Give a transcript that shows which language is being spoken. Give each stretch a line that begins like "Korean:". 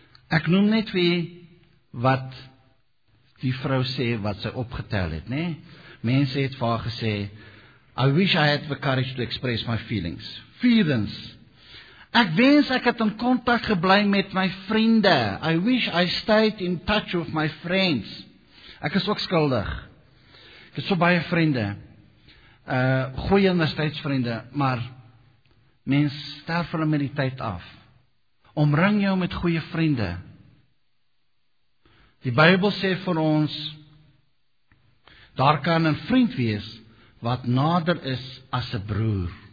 Afrikaans: Ek noem net vir wat die vrou sê, wat sy opgetel het, nee, mense het vir haar gesê,
English: I wish I had the courage to express my feelings.
Afrikaans: Vierens, ek wens ek het in contact geblei met my vriende.
English: I wish I stayed in touch with my friends.
Afrikaans: Ek is ook skuldig. Ek het so baie vriende, goeie universiteitsvriende, maar mens sterf hulle met die tyd af. Omring jou met goeie vriende. Die Bybel sê vir ons, daar kan een vriend wees, wat nader is as 'n broer.